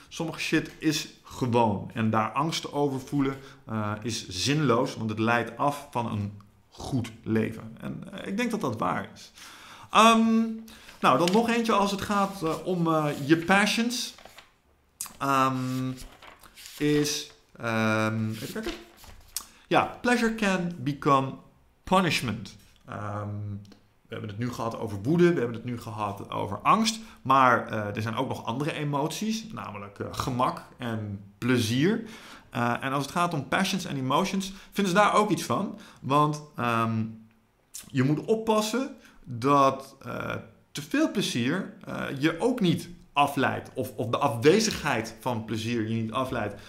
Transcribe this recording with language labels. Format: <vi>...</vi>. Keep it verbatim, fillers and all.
<nl>Sommige shit is gewoon. En daar angst over voelen uh, is zinloos, want het leidt af van een goed leven. En uh, ik denk dat dat waar is. Um, nou, dan nog eentje als het gaat uh, om uh, je passions. Um, is, um, even kijken.</nl> <en>Ja, pleasure can become punishment.</en> <nl>Um, we hebben het nu gehad over woede, we hebben het nu gehad over angst, maar uh, er zijn ook nog andere emoties, namelijk uh, gemak en plezier. Uh, en als het gaat om passions en emotions, vinden ze daar ook iets van, want um, je moet oppassen dat uh, te veel plezier uh, je ook niet afleidt of, of de afwezigheid van plezier je niet afleidt.</nl>